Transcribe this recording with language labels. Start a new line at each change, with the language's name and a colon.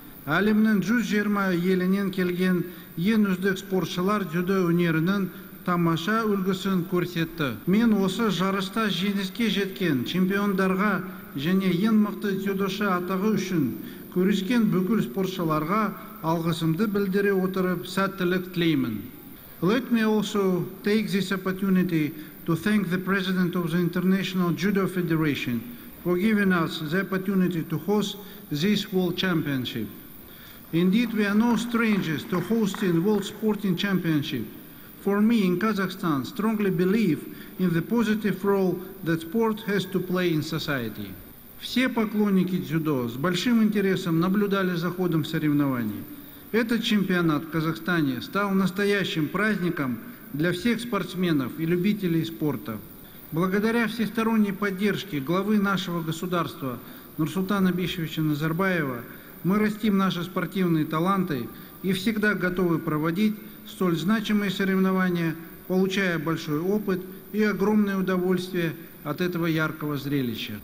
Kazakh: Әлемнің 120 елінен келген ең үздік спортшылар дзюдо өнерінің тамаша үлгісін көрсетті. Мен осы жарыста жеңіске жеткен чемпиондарға және ең мықты дзюдошы атағы үшін көрескен бүкіл спортшыларға алғысымды білдіре отырып сәттілік тілеймін.
English: Let me also take this opportunity to thank the President of the International Judo Federation for giving us the opportunity to host this World Championship. Indeed, we are no strangers to hosting World Sporting Championship. For me, in Kazakhstan, strongly believe in the positive role that sport has to play in society.
Russian: Все поклонники дзюдо с большим интересом наблюдали за ходом соревнований. Этот чемпионат в Казахстане стал настоящим праздником для всех спортсменов и любителей спорта. Благодаря всесторонней поддержке главы нашего государства Нурсултана Абишевича Назарбаева мы растим наши спортивные таланты и всегда готовы проводить столь значимые соревнования, получая большой опыт и огромное удовольствие от этого яркого зрелища.